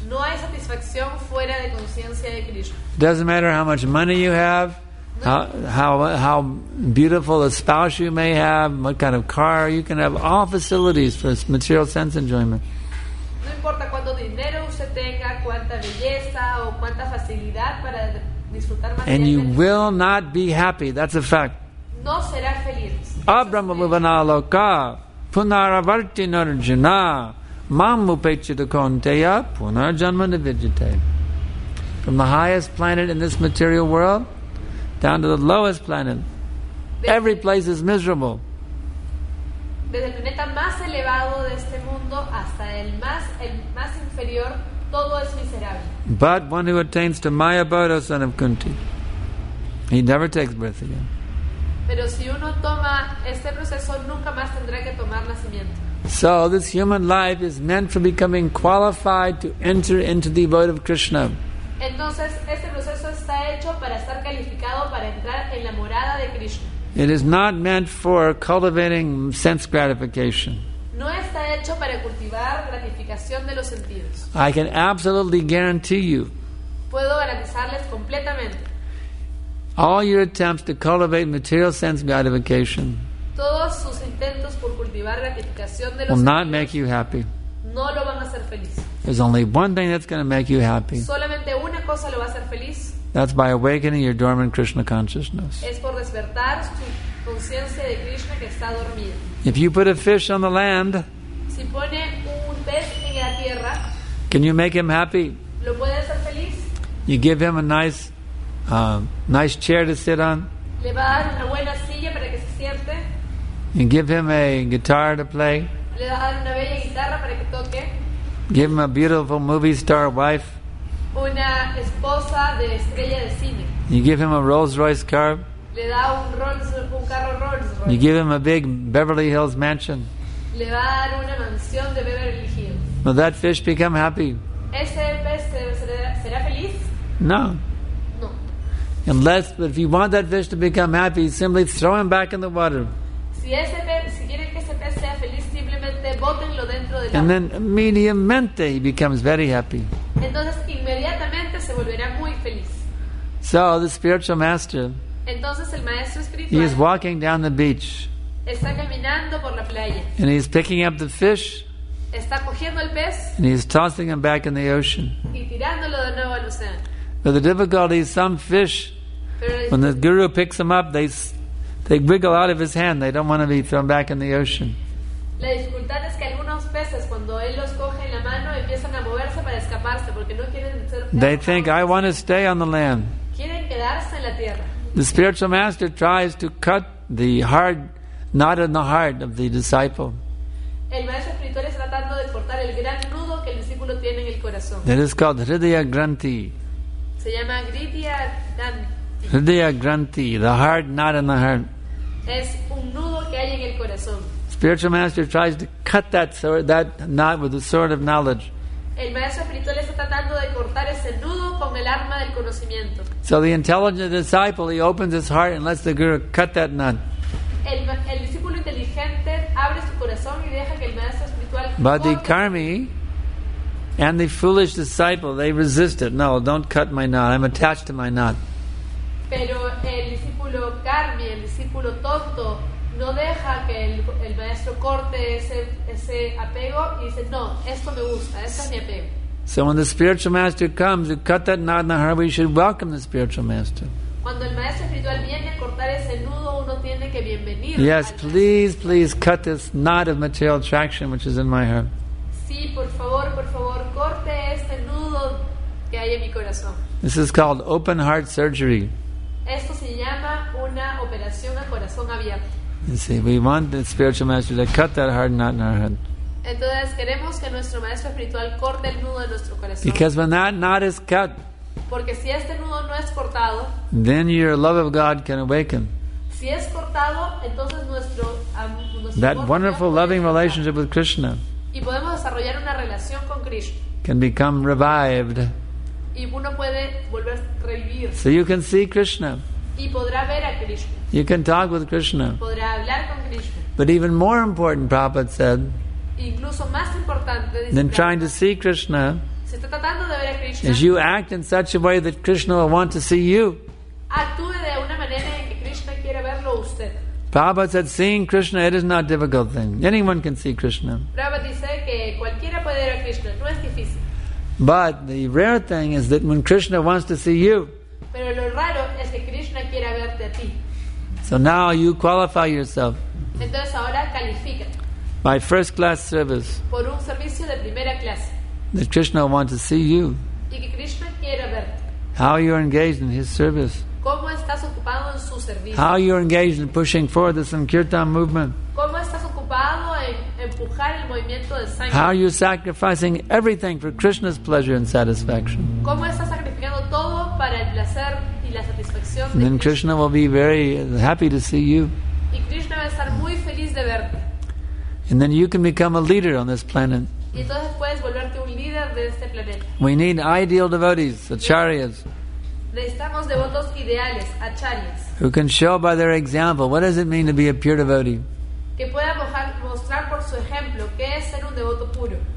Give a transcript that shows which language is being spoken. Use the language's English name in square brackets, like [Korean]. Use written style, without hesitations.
[Spanish] No hay satisfacción fuera de conciencia de Krishna. [English] Doesn't matter how much money you have, how beautiful a spouse you may have, what kind of car you can have, all facilities for material sense enjoyment. [Spanish] No importa cuánto dinero usted tenga, cuánta belleza o cuánta facilidad para disfrutar más. [English] And you will not be happy. That's a fact. [Spanish] No será feliz. [Sanskrit] Abrahma bhuvana loka. Punaravarti narjuna mam upechita konteya punarjanma nivijite. [English] From the highest planet in this material world down to the lowest planet, every place is miserable. [Spanish] Desde el planeta más elevado de este mundo hasta el más inferior, todo es miserable. [English] But one who attains to Maya Bodo, son of Kunti, he never takes breath again. [Spanish] Pero si uno toma este proceso, nunca más tendrá que tomar nacimiento. [English] So this human life is meant for becoming qualified to enter into the abode of Krishna. [Spanish] Entonces este proceso está hecho para estar calificado para entrar en la morada de Krishna. [English] It is not meant for cultivating sense gratification. [Spanish] No está hecho para cultivar gratificación de los sentidos. [English] I can absolutely guarantee you. [Spanish] Puedo garantizarles completamente. [English] All your attempts to cultivate material sense gratification [Spanish] todos sus intentos por cultivar gratificación de los [English] will not make you happy. [Spanish] No lo van a hacer feliz. [English] There's only one thing that's going to make you happy. [Spanish] Solamente una cosa lo va a hacer feliz. [English] That's by awakening your dormant Krishna consciousness. [Spanish] Es por despertar su conciencia de Krishna que está dormida. [English] If you put a fish on the land, [Spanish] si pone un pez en la tierra, [English] Can you make him happy? [Spanish] ¿Lo puede hacer feliz? [English] You give him a nice nice chair to sit on. [Spanish] ¿Le va a dar una buena silla para que se siente? [English] You give him a guitar to play. [Spanish] ¿Le va a dar una bella guitarra para que toque? [English] Give him a beautiful movie star wife. [Spanish] Una esposa de estrella de cine. [English] You give him a Rolls Royce car. [Spanish] Le da un carro Rolls Royce. [English] You give him a big Beverly Hills mansion. [Spanish] Le va a dar una mansión de Beverly Hills. [English] Will that fish become happy? [Spanish] ¿Ese pez será feliz? [English] No. [Spanish] No. [English] Unless, but if you want that fish to become happy, simply throw him back in the water. [Spanish] Si ese pez, si quieren que ese pez sea feliz, simplemente bótenlo dentro del agua. [English] And then immediately he becomes very happy. [Spanish] Entonces inmediatamente se volverá muy feliz. [English] So the spiritual master. [Spanish] Entonces el maestro espiritual. [English] He is walking down the beach. [Spanish] Está caminando por la playa. [English] And he is picking up the fish. [Spanish] Está cogiendo el pez. [English] And he's tossing him back in the ocean. [Spanish] Y tirándolo de nuevo al océano. [English] But the difficulty is some fish, when the guru picks them up, they wriggle out of his hand. They don't want to be thrown back in the ocean. [Spanish] La dificultad es que algunos peces, cuando él los coge en la mano, empiezan a moverse para escaparse porque no quieren ser. [English] They think, I want to stay on the land. [Spanish] Quieren quedarse en la tierra. [English] The spiritual master tries to cut the hard knot in the heart of the disciple. [Spanish] El maestro espiritual está tratando de cortar el gran nudo que el discípulo tiene en el corazón. [English] That is called Hridaya Granthi. [Spanish] Se llama Hridaya Granthi. [English] Hridaya Granthi, the heart not in the heart. [Spanish] Es un nudo que hay en el corazón. [English] Spiritual master tries to cut that knot with the sword of knowledge. [Spanish] El maestro espiritual está tratando de cortar ese nudo con el arma del conocimiento. [English] So the intelligent disciple, he opens his heart and lets the guru cut that knot. [Spanish] El discípulo inteligente abre su corazón y deja que el maestro espiritual. [English] But the karmi and the foolish disciple, they resist it. No, don't cut my knot. I'm attached to my knot. [Spanish] Pero el discípulo karmi, el discípulo tonto, no deja que el maestro corte ese apego y dice, no, esto me gusta, esto es mi apego. [English] So when the spiritual master comes to cut that knot in the heart, we should welcome the spiritual master. [Spanish] Cuando el maestro espiritual viene a cortar ese nudo, uno tiene que bienvenir. [English] Yes, please, please cut this knot of material attraction which is in my heart. [Spanish] Sí, por favor, corte este nudo que hay en mi corazón. [English] This is called open heart surgery. [Spanish] Esto se llama una operación a corazón abierto. [English] You see, we want the spiritual master to cut that hard knot in our heart. [Spanish] Entonces queremos que nuestro maestro espiritual corte el nudo de nuestro corazón. [English] Because when that knot is cut, [Spanish] porque si este nudo no es cortado, [English] then your love of God can awaken. [Spanish] Si es cortado, entonces nuestro [English] that wonderful loving relationship with Krishna, [Spanish] y podemos desarrollar una relación con Krishna, [English] can become revived. [Spanish] Y uno puede volver a revivir. [English] So you can see Krishna. [Spanish] Y podrá ver a Krishna. [English] You can talk with Krishna. [Spanish] Podrá hablar con Krishna. [English] But even more important, Prabhupada said, [Spanish] incluso más importante, dice [English] than trying to see Krishna, [Spanish] se está tratando de ver a Krishna, [English] is you act in such a way that Krishna will want to see you. [Spanish] Actúe de una manera en que Krishna quiera verlo usted. [English] Prabhupada said, seeing Krishna, it is not a difficult thing. Anyone can see Krishna. [Spanish] Prabhupada dice que cualquiera puede ver a Krishna. No es difícil. [English] But the rare thing is that when Krishna wants to see you, [Spanish] pero lo raro es que Krishna quiera verte a ti. [English] So now you qualify yourself. [Spanish] Entonces ahora califica. [English] By first class service. [Spanish] Por un servicio de primera clase. [English] That Krishna will want to see you. [Spanish] Y que Krishna quiera verte. [English] How you're engaged in his service. [Spanish] ¿Cómo estás ocupado en su servicio? [English] How you're engaged in pushing forward the Sankirtan movement. [Spanish] ¿Cómo estás ocupado en empujar el movimiento de Sankirtan? [English] How you're sacrificing everything for Krishna's pleasure and satisfaction. [Spanish] ¿Cómo estás sacrificando todo para el placer y la satisfacción de [English] and then Krishna? [Spanish] Krishna [English] will be very happy to see you. [Spanish] Y Krishna va a estar muy feliz de verte. [English] And then you can become a leader on this planet. [Spanish] Y entonces puedes volverte un líder de este planeta. [English] We need ideal devotees, acharyas. [Spanish] Necesitamos devotos ideales, acharyas. [English] Who can show by their example what does it mean to be a pure devotee? [Spanish] Que pueda mostrar por su ejemplo qué es ser un devoto puro.